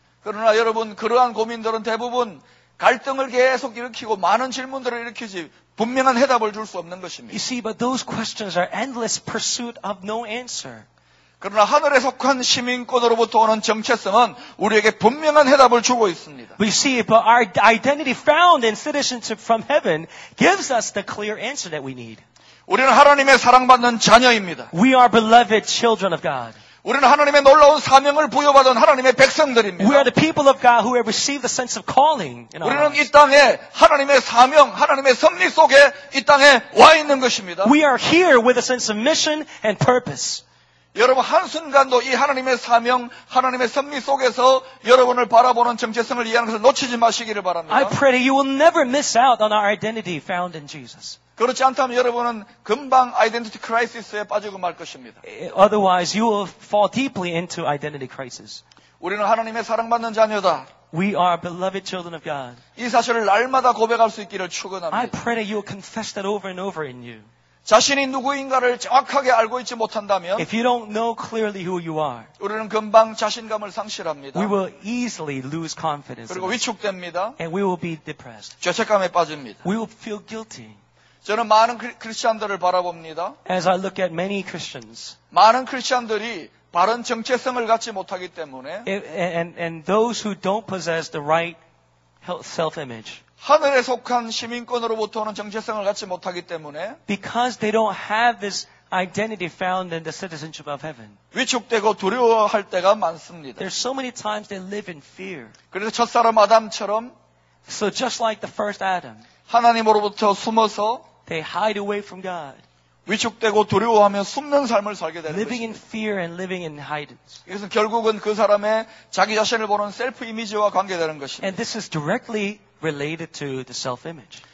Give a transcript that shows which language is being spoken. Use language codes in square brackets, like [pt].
[ko] 그러나 여러분 그러한 고민들은 대부분 갈등을 계속 일으키고 많은 질문들을 일으키지 분명한 해답을 줄 수 없는 것입니다. [en] You see, but those questions are endless pursuit of no answer. [ko] 그러나 하늘에 속한 시민권으로부터 오는 정체성은 우리에게 분명한 해답을 주고 있습니다. [en] We see, but our identity found in citizenship from heaven gives us the clear answer that we need. [ko] 우리는 하나님의 사랑받는 자녀입니다. [en] We are beloved children of God. [ko] 우리는 하나님의 놀라운 사명을 부여받은 하나님의 백성들입니다. [en] We are the people of God who have received the sense of calling. [ko] 우리는 이 땅에 하나님의 사명, 하나님의 섭리 속에 이 땅에 와 있는 것입니다. [en] We are here with a sense of mission and purpose. [ko] 여러분 한 순간도 이 하나님의 사명, 하나님의 섭리 속에서 여러분을 바라보는 정체성을 이해하는 것을 놓치지 마시기를 바랍니다. [en] I pray that you will never miss out on our identity found in Jesus. [ko] 그렇지 않다면 여러분은 금방 아이덴티티 크라이시스에 빠지고 말 것입니다. [en] Otherwise, you will fall deeply into identity crisis. [ko] 우리는 하나님의 사랑받는 자녀다. [en] We are beloved children of God. [ko] 이 사실을 날마다 고백할 수 있기를 축원합니다. [en] I pray that you will confess that over and over in you. [ko] 자신이 누구인가를 정확하게 알고 있지 못한다면 [en] If you don't know clearly who you are, [ko] 우리는 금방 자신감을 상실합니다. [en] We will easily lose confidence. [ko] 그리고 위축됩니다. [en] And we will be depressed. [ko] 죄책감에 빠집니다. [en] We will feel guilty. [ko] 저는 많은 크리스천들을 바라봅니다. [en] As I look at many Christians, [ko] 많은 크리스천들이 바른 정체성을 갖지 못하기 때문에 [en] and those who don't possess the right self-image. [ko] 하늘에 속한 시민권으로부터 오는 정체성을 갖지 못하기 때문에 [en] because they don't have this identity found in the citizenship of heaven. [ko] 위축되고 두려워할 때가 많습니다. [en] There's so many times they live in fear. [ko] 그래서 첫사람 아담처럼 [en] So just like the first Adam. [ko] 하나님으로부터 숨어서 [en] They hide away from God. [ko] 위축되고 두려워하며 숨는 삶을 살게 되는 [en] living Living in fear and living in hiding. [ko] 이것은 결국은 그 사람의 자기 자신을 보는 셀프 이미지와 관계되는 것입니다. [en] And this is directly related to the self-image.